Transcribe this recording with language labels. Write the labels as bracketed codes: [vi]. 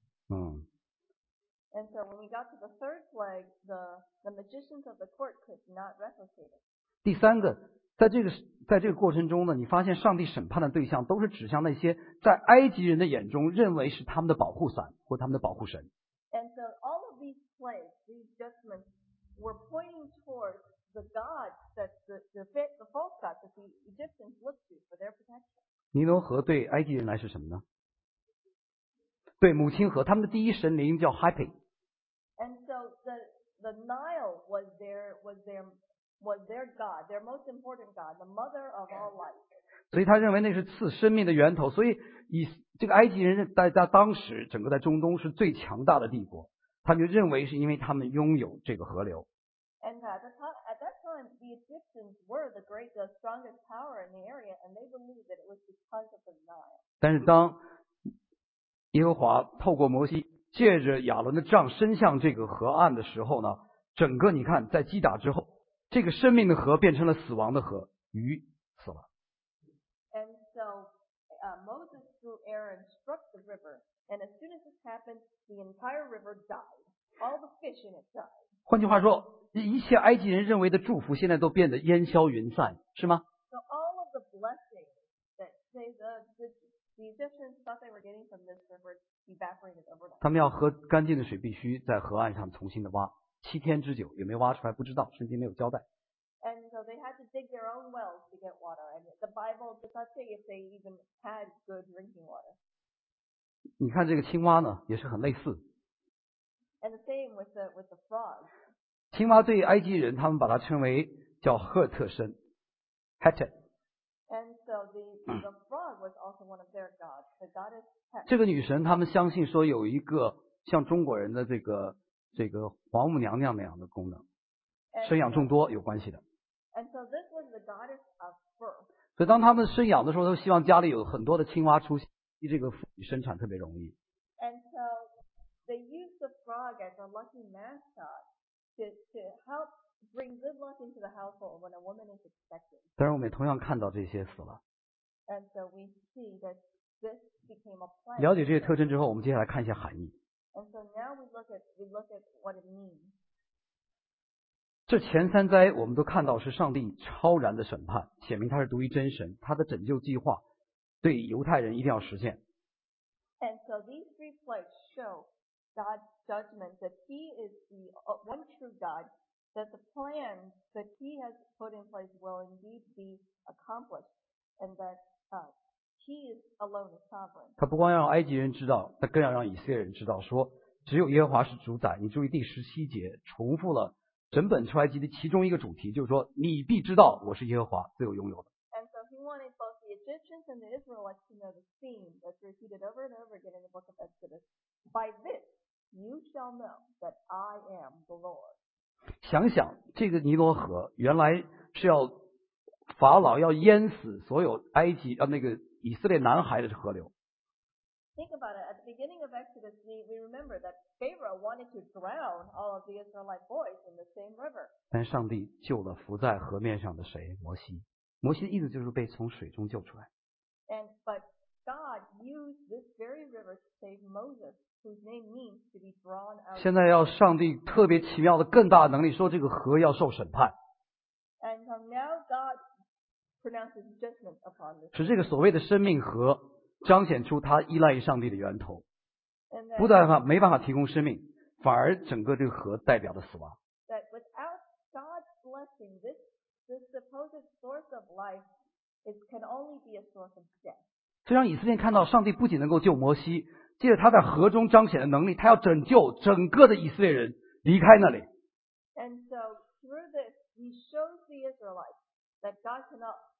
[en] And so when we got to the third plague, the magicians of the court could not replicate it. [zh] 第三个，在这个过程中呢，你发现上帝审判的对象都是指向那些在埃及人的眼中认为是他们的保护伞或他们的保护神。 [en] And so all of these plagues, these judgments, were pointing towards the gods that the false gods that the Egyptians looked to for their protection. [zh] 尼罗河对埃及人来是什么呢？对母亲河，他们的第一神灵叫 Hapi。 [en] And so the Nile was their god, their most important god, the mother of all life. [zh] 所以他认为那是赐生命的源头，所以以这个埃及人在当时整个在中东是最强大的帝国，他就认为是因为他们拥有这个河流。 [en] And at that time, the Egyptians were the strongest power in the area, and they believed that it was because of the Nile. [zh] 但是当耶和华透过摩西借着亚伦的杖伸向这个河岸的时候呢，整个你看在击打之后，这个生命的河变成了死亡的河，鱼死了。 [en] And so, Moses through Aaron struck the river, and as soon as this happened, the entire river died. All the fish in it died. [zh] 换句话说，一切埃及人认为的祝福现在都变得烟消云散，是吗？ [en] So all of the blessings that the Egyptians thought they were getting from this river evaporated overnight. [zh] 他们要喝干净的水，必须在河岸上重新的挖，七天之久，有没有挖出来不知道，圣经没有交代。 [en] And so they had to dig their own wells to get water, and the Bible does not say if they even had good drinking water. [zh] 你看这个青蛙呢，也是很类似。 [en] And the same with the frog. [zh] 青蛙对埃及人，他们把它称为叫赫特神 ，Hetep. [en] And so the frog was also one of their gods, the goddess Hetep. [zh] 这个女神，他们相信说有一个像中国人的这个皇母娘娘那样的功能。生养众多有关系的。 [en] And so this was the goddess of birth. [zh] 所以当他们生养的时候，都希望家里有很多的青蛙出现，这个妇女生产特别容易。 [en] And so they used the frog as a lucky mascot to help bring good luck into the household when a woman is expecting. [zh] 当然我们也同样看到这些死了。 [en] And so we see that this became a plague. [zh] 了解这些特征之后，我们接下来看一下含义。 [en] And so now we look at what it means. [zh] 这前三灾我们都看到是上帝超然的审判，显明他是独一真神，他的拯救计划对犹太人一定要实现。 [en] And so these three plagues show God's judgment that he is the one true God, that the plan that he has put in place will indeed be accomplished, and that he is alone the sovereign. [zh] 他不光要让埃及人知道，他更要让以色列人知道，说只有耶和华是主宰。你注意第十七节重复了整本出埃及的其中一个主题，就是说你必知道我是耶和华自有拥有的。 [en] And so he wanted both the Egyptians and the Israelites to know the theme that's repeated over and over again in the book of Exodus. By this, you shall know that I am the Lord. [zh] 想想这个尼罗河原来是要法老要淹死所有埃及那个以色列男孩的河流。 [en] Think about it. At the beginning of Exodus, we remember that Pharaoh wanted to drown all of the Israelite boys in the same river. [zh] 但上帝救了浮在河面上的谁？摩西。摩西的意思就是被从水中救出来。 [en] And but God used this very river to save Moses, whose name means to be drawn out. [zh] 现在要上帝特别奇妙的更大的能力，说这个河要受审判。 [en] And so now God pronounces judgment upon this. [zh] 使这个所谓的生命河。彰显出他依赖于上帝的源头，不但没办法提供生命，反而整个这个河代表的死亡。 [en] That without God's blessing, this supposed source of life it can only be a source of death. [zh] 这让以色列看到上帝不仅能够救摩西，借着他在河中彰显的能力，他要拯救整个的以色列人离开那里。 [en] And so through this, he shows the Israelites that God cannot.